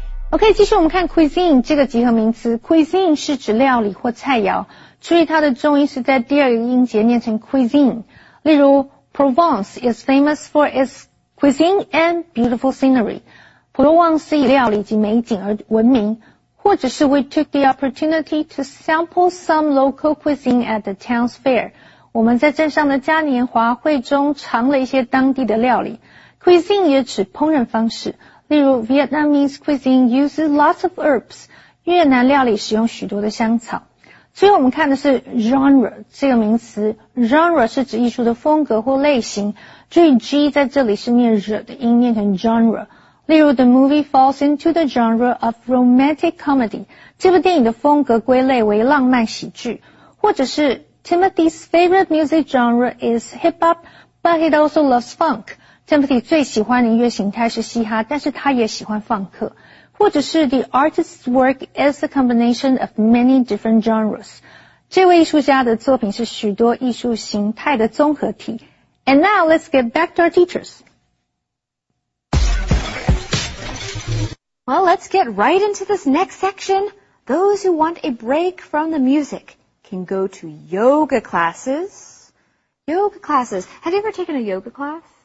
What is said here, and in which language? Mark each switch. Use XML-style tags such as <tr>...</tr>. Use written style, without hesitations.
<zh>OK， 继续我们看 cuisine 这个集合名词。cuisine 是指料理或菜肴，注意它的重音是在第二个音节念成 cuisine。例如</zh> <en>，Provence is famous for its cuisine and beautiful scenery。</en> <zh>普罗旺斯以料理及美景而闻名。或者是</zh> <en>，We took the opportunity to sample some local cuisine at the town's fair。</en> <zh>我们在镇上的嘉年华会中尝了一些当地的料理。 cuisine 也指烹饪方式。例如 ,</zh> <en>Vietnamese cuisine uses lots of herbs,</en> <zh>越南料理使用许多的香草。最后我们看的是 genre, 这个名词 ,genre 是指艺术的风格或类型，注意 G 在这里是念 r 的音，念成 genre。例如</zh> <en>,The movie falls into the genre of romantic comedy,</en> <zh>这部电影的风格归类为浪漫喜剧。或者是</zh> <en>,Timothy's favorite music genre is hip-hop, but he also loves funk,</en> <zh>Timothy 最喜欢的音乐形态是嘻哈，但是他也喜欢放克。或者是</zh> <en>The artist's work is a combination of many different genres.</en> <zh>这位艺术家的作品是许多艺术形态的综合体。</zh> <en>And now let's get back to our teachers. Well, let's get right into this next section. Those who want a break from the music can go to yoga classes. Yoga classes. Have you ever taken a yoga class?</en>